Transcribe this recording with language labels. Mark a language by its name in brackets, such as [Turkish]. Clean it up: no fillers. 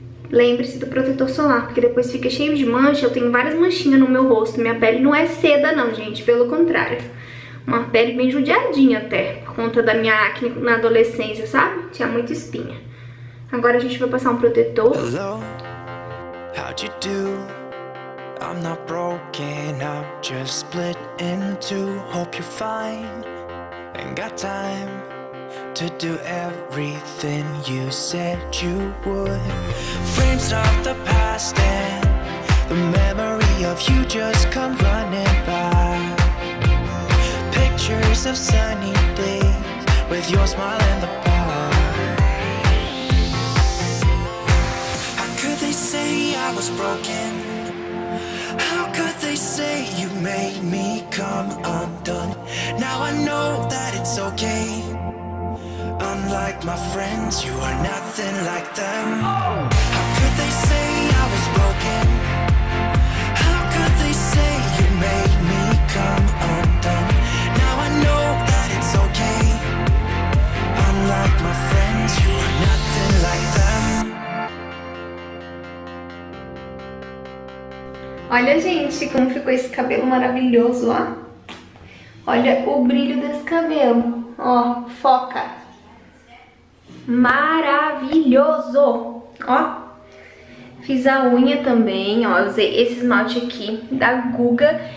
[Portuguese] Lembre-se do protetor solar, porque depois fica cheio de mancha. Eu tenho várias manchinhas no meu rosto. Minha pele não é seda não, gente, pelo contrário. Uma pele bem judiadinha até, por conta da minha acne na adolescência, sabe? Tinha muita espinha. Agora a gente vai passar um protetor. [English] Hello. How'd you do? I'm not broken, I'm just split in two. Hope you're fine. And got time to do everything you said you would. Frames of the past and the memory of you just come running by. Pictures of sunny days with your smile in the bar. How could they say I was broken? How could they say you made me come undone? Now I know that it's okay. Unlike my friends, you are nothing like them. How could they say I was broken? How could they say you made me come undone? Now I know that it's okay. Unlike my friends, you are nothing like them. [Portuguese] Olha, gente, como ficou esse cabelo maravilhoso, ó. Olha o brilho desse cabelo, ó, foca. Maravilhoso, ó. Fiz a unha também, ó, usei esse esmalte aqui da Guga.